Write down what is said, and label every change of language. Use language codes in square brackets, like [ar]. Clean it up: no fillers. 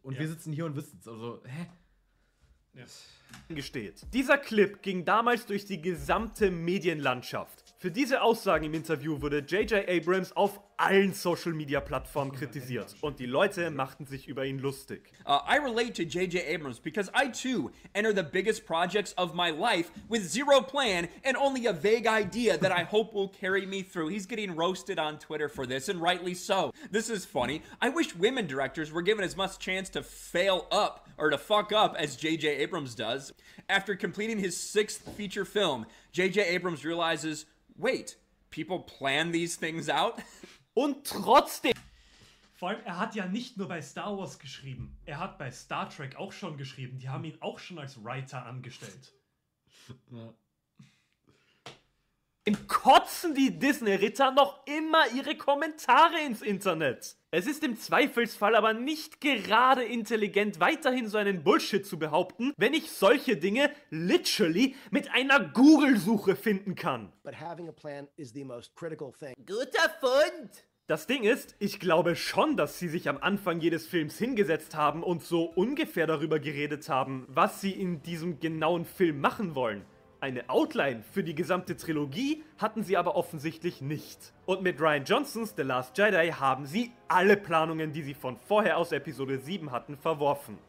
[de] Und Wir sitzen hier und wissen es. Also, hä? Gesteht. Dieser Clip ging damals durch die gesamte Medienlandschaft. Für diese Aussagen im Interview wurde J.J. Abrams auf allen Social-Media-Plattformen kritisiert und die Leute machten sich über ihn lustig. [en] I relate to J.J. Abrams because I too enter the biggest projects of my life with zero plan and only a vague idea that I hope will carry me through. He's getting roasted on Twitter for this and rightly so. This is funny. I wish women directors were given as much chance to fail up or to fuck up as J.J. Abrams does. After completing his sixth feature film, J.J. Abrams realizes, wait, people plan these things out? [de] Und trotzdem... Vor allem, er hat ja nicht nur bei Star Wars geschrieben. Er hat bei Star Trek auch schon geschrieben. Die haben ihn auch schon als Writer angestellt. Ja. Im Kotzen die Disney-Ritter noch immer ihre Kommentare ins Internet. Es ist im Zweifelsfall aber nicht gerade intelligent, weiterhin so einen Bullshit zu behaupten, wenn ich solche Dinge literally mit einer Google-Suche finden kann. [en] But having a plan is the most critical thing. [de] Guter Fund! Das Ding ist, ich glaube schon, dass sie sich am Anfang jedes Films hingesetzt haben und so ungefähr darüber geredet haben, was sie in diesem genauen Film machen wollen. Eine Outline für die gesamte Trilogie hatten sie aber offensichtlich nicht. Und mit Rian Johnsons The Last Jedi haben sie alle Planungen, die sie von vorher aus Episode 7 hatten, verworfen.